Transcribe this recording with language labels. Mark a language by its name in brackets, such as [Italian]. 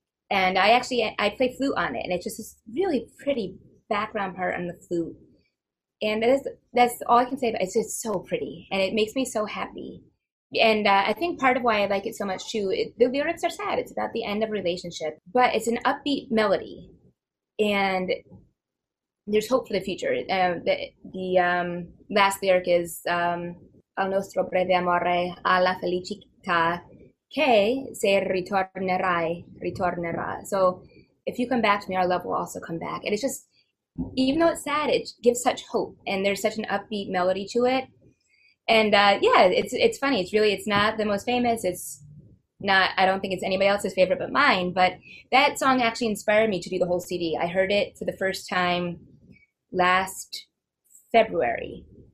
[English] And I play flute on it, and it's just this really pretty background part on the flute. And that's all I can say, but it's just so pretty, and it makes me so happy. And I think part of why I like it so much too, the lyrics are sad. It's about the end of a relationship, but it's an upbeat melody. And there's hope for the future. The last lyric is, [Italian] al nostro breve amore, alla felicità, Che se ritornerai, ritornerà. [English] So if you come back to me, our love will also come back. And it's just, even though it's sad, it gives such hope. And there's such an upbeat melody to it. And it's funny. It's not the most famous. I don't think it's anybody else's favorite but mine. But that song actually inspired me to do the whole CD. I heard it for the first time last February.